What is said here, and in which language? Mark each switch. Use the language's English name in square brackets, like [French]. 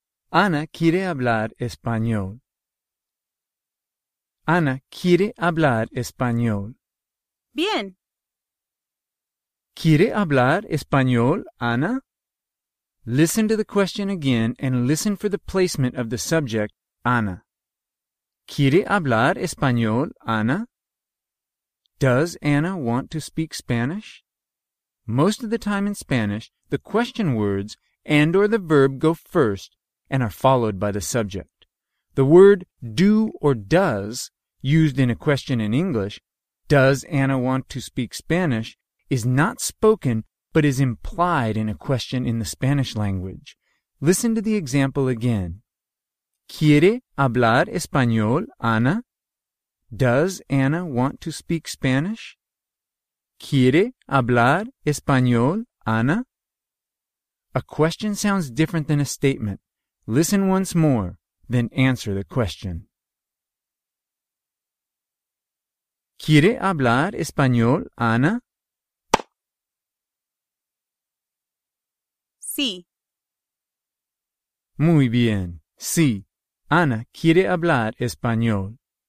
[Spanish] Ana quiere hablar español. Ana quiere hablar español. Bien. ¿Quiere hablar español, Ana? [English] Listen to the question again and listen for the placement of the subject, Ana. [Spanish] ¿Quiere hablar español, Ana? [English] Does Ana want to speak Spanish? Most of the time in Spanish, the question words and or the verb go first and are followed by the subject. The word do or does, used in a question in English, does Ana want to speak Spanish, is not spoken but is implied in a question in the Spanish language. Listen to the example again. [Spanish] ¿Quiere hablar español, Ana? [English] Does Ana want to speak Spanish? [Spanish] ¿Quiere hablar español, Ana? [English] A question sounds different than a statement. Listen once more, then answer the question. [Spanish] ¿Quiere hablar español, Ana? Sí. Muy bien. Sí. Ana quiere hablar español.